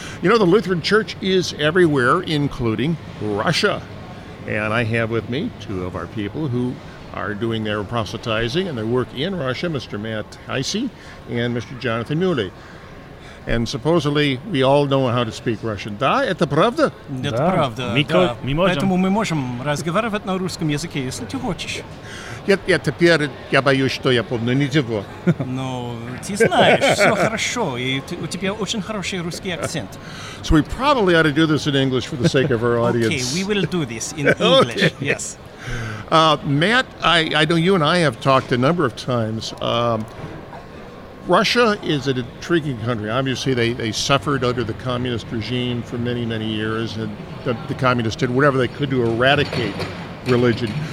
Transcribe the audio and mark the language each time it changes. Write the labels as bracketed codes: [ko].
[en] You know, the Lutheran Church is everywhere, including Russia. And I have with me two of our people who are doing their proselytizing and their work in Russia, Mr. Matt Heisey and Mr. Jonathan Muley. And supposedly, we all know how to speak Russian. [ru] Да, это правда? Это правда, да. Мы можем. Поэтому мы можем разговаривать на русском языке, если ты хочешь. Я теперь, я боюсь, что я помню ничего. Ну, ты знаешь, все хорошо, и у тебя очень хороший русский акцент. [en] So we probably ought to do this in English for the sake of our audience. Okay, we will do this in English, yes. Matt, I know you and I have talked a number of times. Russia is an intriguing country. Obviously, they suffered under the communist regime for many, many years, and the communists did whatever they could to eradicate religion.